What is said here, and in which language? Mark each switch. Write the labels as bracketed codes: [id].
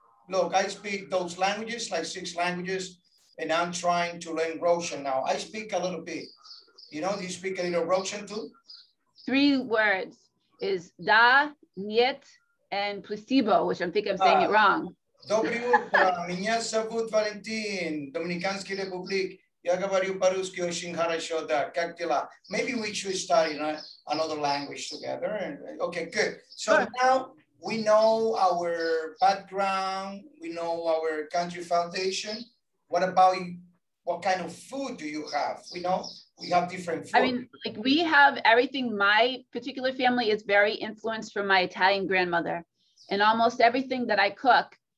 [en] Look, I speak those languages, like six languages, and I'm trying to learn Russian now. I speak a little bit. You know, do you speak a little Russian too? Three words is da, niet, and placebo, which I think I'm saying it wrong. [ru] Добрый утро, меня зовут Валентин, Доминиканский Републик. Я говорю по-русски очень хорошо, да, как дела? [en] Maybe we should study another language together. Okay, good. So now, we know our background, we know our country foundation. What about you? What kind of food do you have? We know we have different food. I mean, like we have everything. My particular family is very influenced from my Italian grandmother, and almost everything that I cook